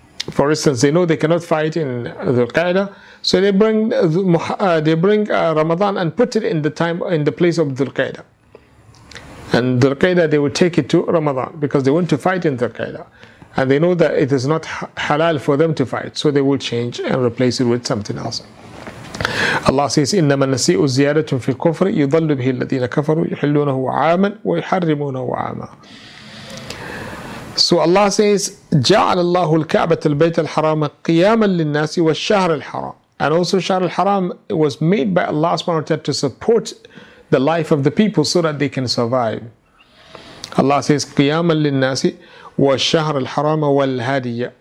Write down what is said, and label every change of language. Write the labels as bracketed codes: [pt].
[en] For instance, they know they cannot fight in Dhul-Qa'dah, so they bring Ramadan and put it in the time in the place of Dhul-Qa'dah. And Dhul-Qa'dah, they will take it to Ramadan because they want to fight in Dhul-Qa'dah, and they know that it is not halal for them to fight, so they will change and replace it with something else. Allah says, [ar] إِنَّمَا النَّسِيءُ زِيَادَةٌ فِي الْكُفْرِ يُضَلُّ بِهِ الَّذِينَ كَفَرُوا يُحِلُّونَهُ عَامًا وَيُحَرِّمُونَهُ عَامًا. [en] So Allah says, [ar] جَعَلَ اللَّهُ الْكَعْبَةَ الْبَيْتَ الْحَرَامَ قِيَامًا لِلنَّاسِ وَالشَّهْرِ الْحَرَامِ. [en] And also Shahr al-Haram was made by Allah subhanahu wa ta'ala to support the life of the people so that they can survive. Allah says, [ar] قِيَامًا لِلنَّاسِ وَالشَّهْرِ الْحَرَامَ وَالْهَدِيَ.